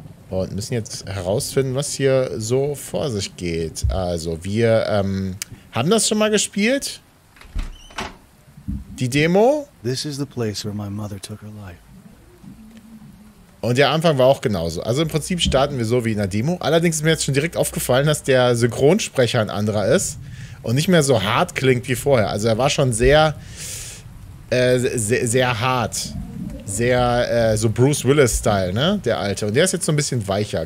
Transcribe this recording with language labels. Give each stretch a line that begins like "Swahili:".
German: Und müssen jetzt herausfinden, was hier so vor sich geht. Also, wir haben das schon mal gespielt. Die Demo.
English: This is the place where my mother took her life.
German: Und der Anfang war auch genauso. Also im Prinzip starten wir so wie in der Demo. Allerdings ist mir jetzt schon direkt aufgefallen, dass der Synchronsprecher ein anderer ist. Und nicht mehr so hart klingt wie vorher. Also er war schon sehr, sehr hart. Sehr, so Bruce Willis-Style, ne? Der Alte. Und der ist jetzt so ein bisschen weicher.